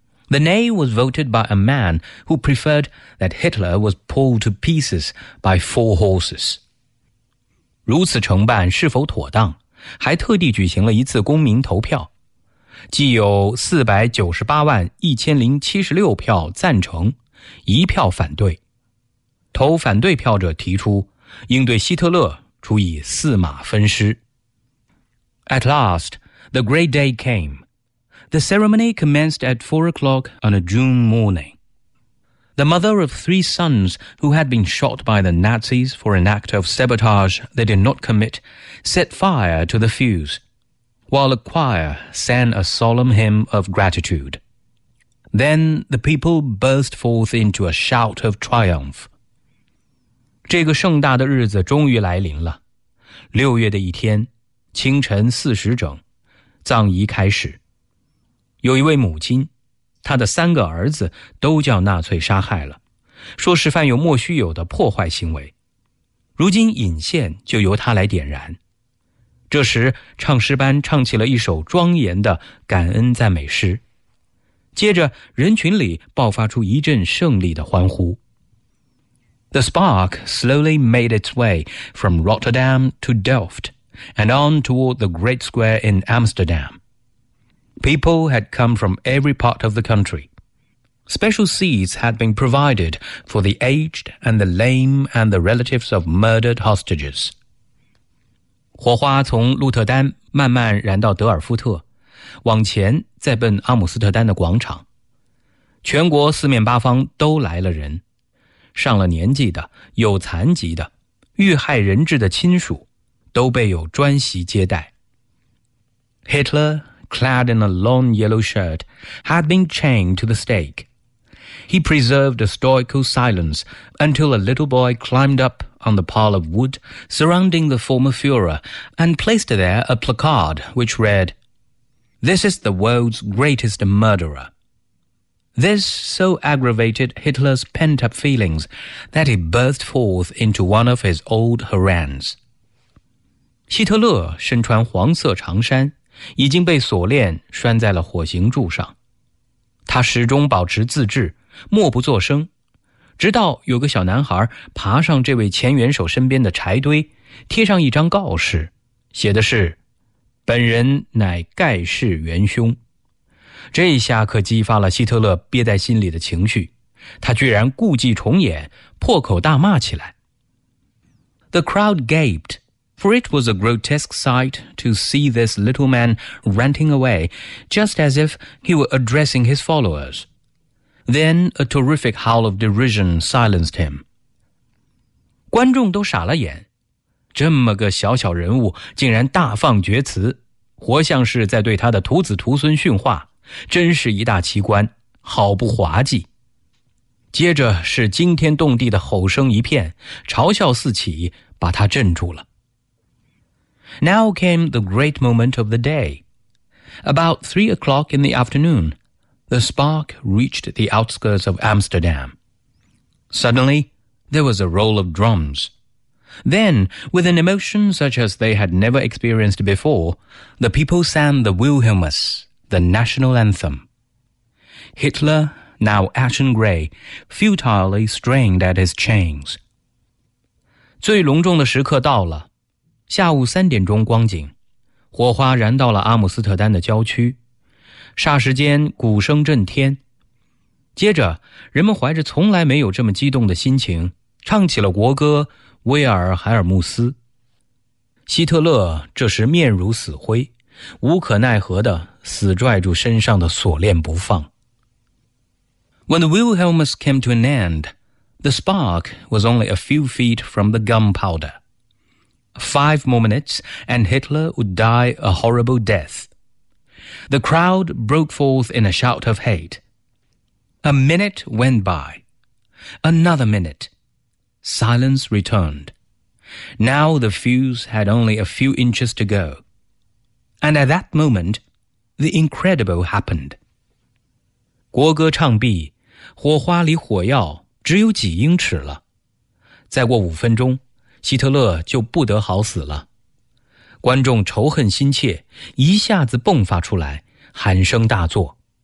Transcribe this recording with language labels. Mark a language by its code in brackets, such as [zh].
[en] The nay was voted by a man who preferred that Hitler was pulled to pieces by four horses. [zh] 如此承办是否妥当，还特地举行了一次公民投票，既有4981076票赞成，一票反对。投反对票者提出应对希特勒处以四马分尸。 [en] At last, the great day came. The ceremony commenced at 4 o'clock on a June morning. The mother of 3 sons who had been shot by the Nazis for an act of sabotage they did not commit set fire to the fuse, while a choir sang a solemn hymn of gratitude. Then the people burst forth into a shout of triumph. [zh] 这个盛大的日子终于来临了。六月的一天，清晨4时整，葬仪开始。有一位母亲，她的3个儿子都叫纳粹杀害了，说是犯有莫须有的破坏行为。如今引线就由她来点燃。这时，唱诗班唱起了一首庄严的感恩赞美诗。接着，人群里爆发出一阵胜利的欢呼。 [en] The spark slowly made its way from Rotterdam to Delft and on toward the Great Square in Amsterdam. People had come from every part of the country. Special seats had been provided for the aged and the lame and the relatives of murdered hostages. [zh] 火花从鹿特丹慢慢燃到德尔夫特，往前再奔阿姆斯特丹的广场。全国四面八方都来了人。上了年纪的，有残疾的，遇害人质的亲属，都备有专席接待。 [en] Hitler, clad in a long yellow shirt, had been chained to the stake. He preserved a stoical silence until a little boy climbed up on the pile of wood surrounding the former Führer and placed there a placard which read, This is the world's greatest murderer. This so aggravated Hitler's pent-up feelings that he burst forth into one of his old harangues. [zh] 希特勒身穿黄色长衫，已经被锁链拴在了火刑柱上。他始终保持自制，默不作声，直到有个小男孩爬上这位前元首身边的柴堆，贴上一张告示，写的是本人乃盖世元凶。这一下可激发了希特勒憋在心里的情绪，他居然故伎重演，破口大骂起来。 [en] The crowd gaped, for it was a grotesque sight to see this little man ranting away, just as if he were addressing his followers. Then a terrific howl of derision silenced him. [zh] 观众都傻了眼，这么个小小人物竟然大放厥词，活像是在对他的徒子徒孙训话。真是一大奇观，好不滑稽。接着是惊天动地的吼声一片，嘲笑四起，把他镇住了。 [en] Now came the great moment of the day. About 3 o'clock in the afternoon, the spark reached the outskirts of Amsterdam. Suddenly, there was a roll of drums. Then, with an emotion such as they had never experienced before, the people sang the Wilhelmus. The national anthem. Hitler, now ashen gray, futilely strained at his chains. [zh] 最隆重的时刻到了，下午3点钟光景，火花燃到了阿姆斯特丹的郊区，霎时间鼓声震天。接着，人们怀着从来没有这么激动的心情，唱起了国歌《威尔海尔穆斯》。希特勒这时面如死灰，无可奈何地死拽住身上的锁链不放。 [en] When the Wilhelmus came to an end, the spark was only a few feet from the gunpowder. 5 more minutes and Hitler would die a horrible death. The crowd broke forth in a shout of hate. A minute went by. Another minute. Silence returned. Now the fuse had only a few inches to go. And at that moment, the incredible happened. [zh] 国歌唱毕，火花离火药只有几英尺了。再过5分钟，希特勒就不得好死了。观众仇恨心切，一下子迸发出来，喊声大作。